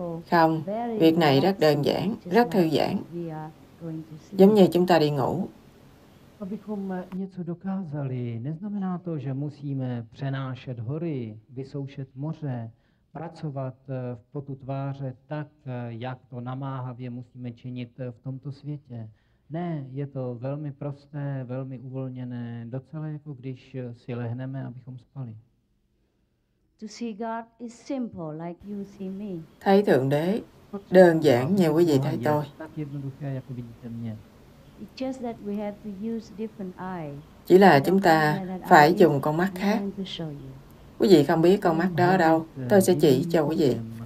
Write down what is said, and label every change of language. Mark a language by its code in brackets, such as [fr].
[vi] Không, việc này rất đơn giản, rất thư giãn, giống như chúng ta đi ngủ. [cs] Abychom něco dokázali, neznamená to, že musíme přenášet hory, vysoušet moře, pracovat v potu tváře tak, jak to namáhavě musíme činit v tomto světě. Ne, je to velmi prosté, velmi uvolněné, docela jako když si lehneme, abychom spali. [en] To see God is simple, like you see me. [vi] Thấy Thượng Đế đơn giản như quý vị thấy tôi. [cs] Tak jednoduché, jako vidíte mě. [en] It's just that we have to use different eyes. [vi] Chỉ là chúng ta phải dùng con mắt khác. Quý vị không biết con mắt đó đâu, tôi sẽ chỉ cho quý vị.